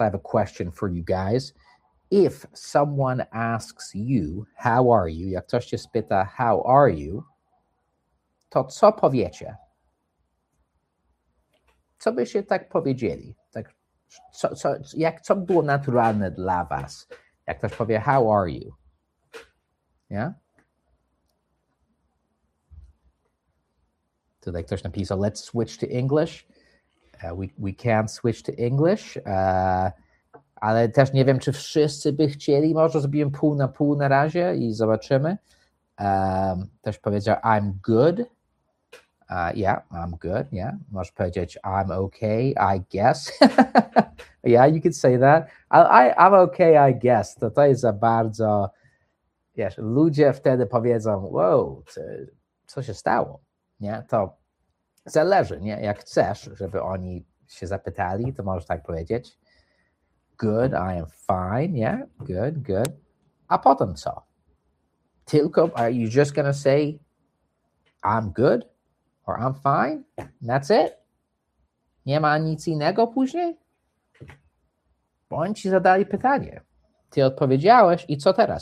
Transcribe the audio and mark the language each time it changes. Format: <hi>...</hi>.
<en>I have a question for you guys. If someone asks you, how are you?</en> <pl>Jak ktoś cię spyta,</pl> <en>how are you?</en> <pl>To co powiecie? Co byście tak powiedzieli? Tak, co było naturalne dla was? Jak ktoś powie,</pl> <en>how are you? Yeah? So like there's a piece of let's switch to English. We can switch to English.</en> <pl>Ale też nie wiem, czy wszyscy by chcieli. Może zrobimy pół na razie i zobaczymy. Też powiedział</pl> <en>I'm good. Yeah, I'm good. Yeah.</en> <pl>Możesz powiedzieć</pl> <en>I'm okay, I guess. Yeah, you could say that. I'm okay, I guess.</en> <pl>To jest za bardzo. Yes, ludzie wtedy powiedzą, wow, co się stało? Nie, to zależy, nie? Jak chcesz, żeby oni się zapytali, to możesz tak powiedzieć.</pl> <en>Good, I am fine, yeah, good, good.</en> <pl>A potem co?</pl> <en>Tylko, are you just gonna say, I'm good, or I'm fine, and that's it?</en> <pl>Nie ma nic innego później? Bo oni ci zadali pytanie. Ty odpowiedziałeś i co teraz?</pl>